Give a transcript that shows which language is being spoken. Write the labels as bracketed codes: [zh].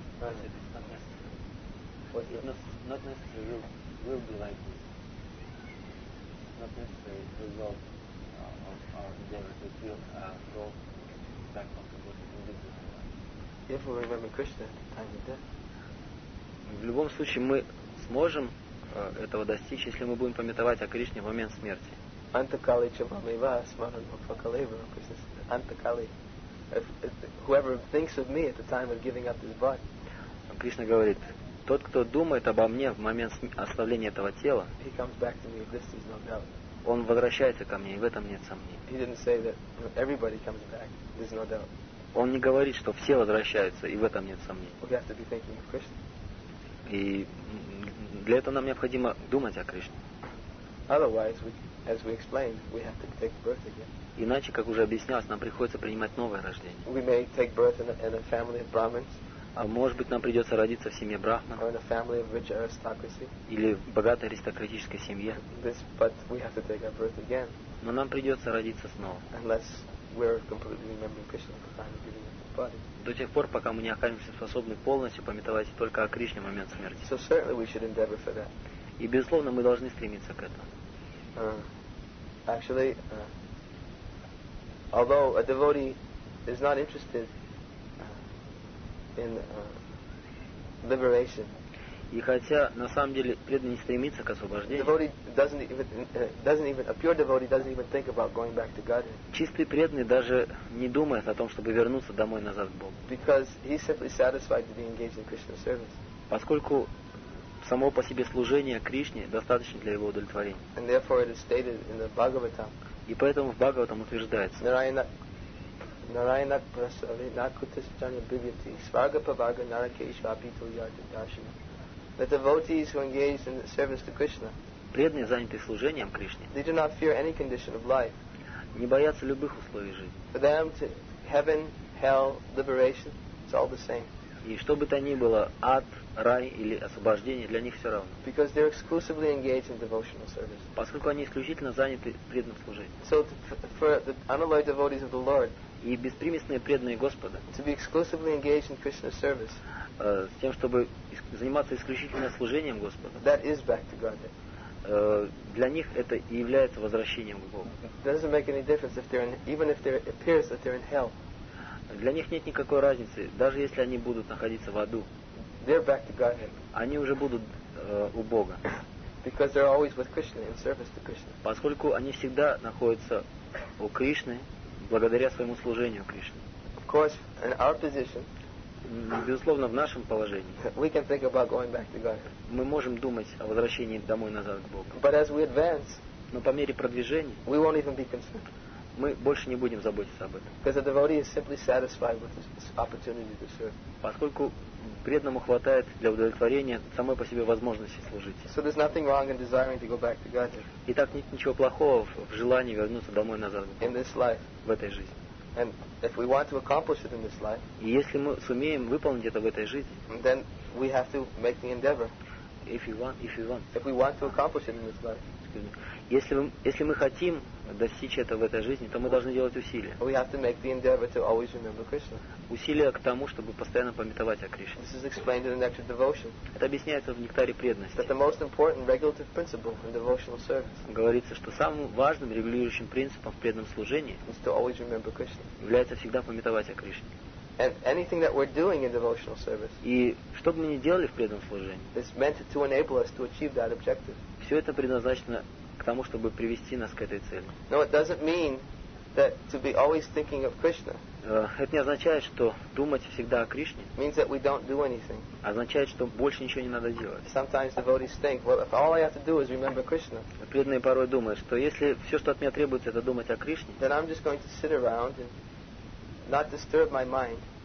[en] Right. It's not necessary. What's it's not necessary will be like this. It's not necessary the result of our endeavor that will go back on the body in this life. If we remember Krishna, time of death. [ru] В любом случае мы сможем этого достичь, если мы будем памятовать о Кришне в момент смерти. [sa] Антакали чабамива сманан мукфакалива. Антакали. [en] Whoever thinks of me at the time of giving up his body. [ru] Кришна говорит, тот, кто думает обо мне в момент оставления этого тела, [en] he comes back to me, this is no doubt. [ru] Он возвращается ко мне, и в этом нет сомнений. [en] He didn't say that everybody comes back, there's no doubt. [ru] Он не говорит, что все возвращаются, и в этом нет сомнений. [en] We have to be thinking of Krishna. [ru] И для этого нам необходимо думать о Кришне. [en] Otherwise, as we explained, we have to take birth again. [ru] Иначе, как уже объяснялось, нам приходится принимать новое рождение. [en] We may take birth in a family of Brahmins. [ru] А может быть, нам придется родиться в семье Брахман. [en] Or in a family of rich aristocracy. [ru] Или в богатой аристократической семье. [en] This, but we have to take our birth again. [ru] Но нам придется родиться снова. [en] Unless we're completely remembering Krishna at the time of giving up the body. [ru] До тех пор, пока мы не окажемся способны полностью памятовать только о Кришне в момент смерти. [en] So certainly we should endeavor for that. [ru] И безусловно, мы должны стремиться к этому. [en] Actually, although a devotee is not interested in liberation. [ru] И хотя на самом деле преданный не стремится к освобождению. [en] A pure devotee doesn't even think about going back to God. [ru] Чистый преданный даже не думает о том, чтобы вернуться домой назад к Богу. [en] Because he's simply satisfied to be engaged in Krishna service. [ru] Поскольку само по себе служение Кришне достаточно для его удовлетворения. [en] And therefore it is stated in the Bhagavatam. [ru] И поэтому в Бхагаватам утверждается. [sa] Narayana prasavi nakutasjana bhivyati svarga pavarga narakeshvapitulyadashina. [en] The devotees who engage in the service to Krishna [ru] преданные, занятые служением Кришне, [en] they do not fear any condition of life. [ru] Не боятся любых условий жизни. [en] For them, to heaven, hell, liberation, it's all the same. [ru] И что бы то ни было, ад, рай или освобождение, для них все равно. [en] Because they're exclusively engaged in devotional service. [ru] Поскольку они исключительно заняты преданным служением. [en] So for the unalloyed devotees of the Lord, [ru] и беспримесные преданные Господа, [en] to be exclusively engaged in Krishna's service, [ru] с тем, чтобы заниматься исключительно служением Господа, [en] that is back to Godhead. [ru] Для них это и является возвращением к Богу. [en] It doesn't make any difference if they're in, even if there appears that they're in hell. [ru] Для них нет никакой разницы, даже если они будут находиться в аду. [en] They're back to Godhead. [ru] Они уже будут у Бога. [en] Because they're always with Krishna in service to Krishna. [ru] Поскольку они всегда находятся у Кришны благодаря своему служению Кришне. [en] Of course, in our position, [ru] безусловно, в нашем положении, [en] we can think about going back to Godhead. [ru] Мы можем думать о возвращении домой назад к Богу. [en] But as we advance, [ru] но по мере продвижения, [en] we won't even be concerned. [ru] Мы больше не будем заботиться об этом. [en] Because the devotee is simply satisfied with this opportunity to serve. [ru] Поскольку преданному хватает для удовлетворения самой по себе возможности служить. [en] So there's nothing wrong in desiring to go back to Godhead. [ru] Итак, нет ничего плохого в желании вернуться домой назад. [en] In this life. [ru] В этой жизни. [en] And if we want to accomplish it in this life. [ru] И если мы сумеем выполнить это в этой жизни. [en] Then we have to make the endeavor. If we want to accomplish it in this life. Excuse me. [ru] Если мы хотим достичь этого в этой жизни, то мы должны делать усилия. [en] We have to make the endeavor to always remember Krishna. [ru] Усилия к тому, чтобы постоянно памятовать о Кришне. [en] This is explained in the Nectar Devotion. [ru] Это объясняется в Нектаре преданности. [en] That the most important regulative principle in devotional service. [ru] Говорится, что самым важным регулирующим принципом в преданном служении [en] is to always remember Krishna. [ru] Является всегда памятовать о Кришне. [en] And anything that we're doing in devotional service. [ru] И что бы мы ни делали в преданном служении. [en] It's meant to enable us to achieve that objective. [ru] Все это предназначено к тому, чтобы привести нас к этой цели. [en] No, it doesn't mean that to be always thinking of Krishna. [ru] Это не означает, что думать всегда о Кришне. [en] Means that we don't do anything. [ru] Означает, что больше ничего не надо делать. [en] Sometimes devotees think, well, if all I have to do is remember Krishna. [ru] Преданные порой думают, что если все, что от меня требуется, это думать о Кришне. [en] Then I'm just going to sit around and not disturb my mind.